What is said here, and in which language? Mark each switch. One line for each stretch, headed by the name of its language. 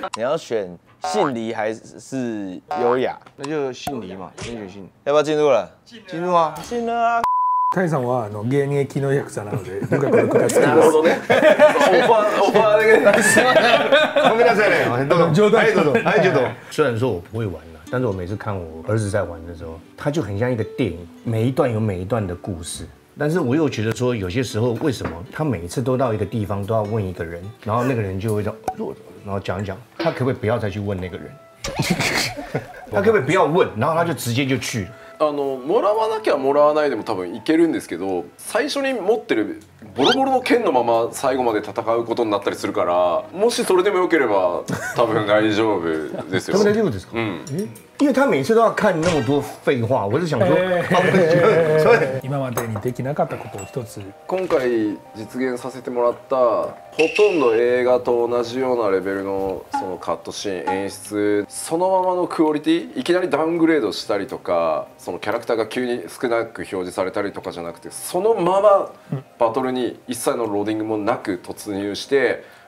Chinese: 你要选信离还是优雅？那就信离嘛，先选信。要不要进入了？进入啊，进入啊。
Japanese: タイさんはあの現役の役者なので僕はこの句が好きです。なるほどね、オファーだけで。すごめんなさいね、どうぞ。冗談、はい、どうぞ、はい、どうぞ。
Chinese: 虽然说我不会玩，但是我每次看我儿子在玩的时候，他就很像一个电影，每一段有每一段的故事。但是我又觉得说，有些时候为什么他每一次都到一个地方都要问一个人，然后那个人就会说，然后讲一讲，他可不可以不要再去问那个人？他可不可以不要问？然后他就直接就去了。
Japanese: あのもらわなきゃもらわないでも多分いけるんですけど、最初に持ってるボロボロの剣のまま最後まで戦うことになったりするから、もしそれでもよければ多分大丈夫ですよ。多分大丈夫ですか。うん、
Chinese: 因为他每次都要看那么多废话，我是想说，
Japanese: 今までにできなかったことを一つ。今回実現させてもらったほとんど映画と同じようなレベルのそのカットシーン演出そのままのクオリティ、いきなりダウングレードしたりとか、そのキャラクターが急に少なく表示されたりとかじゃなくて、そのままバトルに一切のローディングもなく突入して。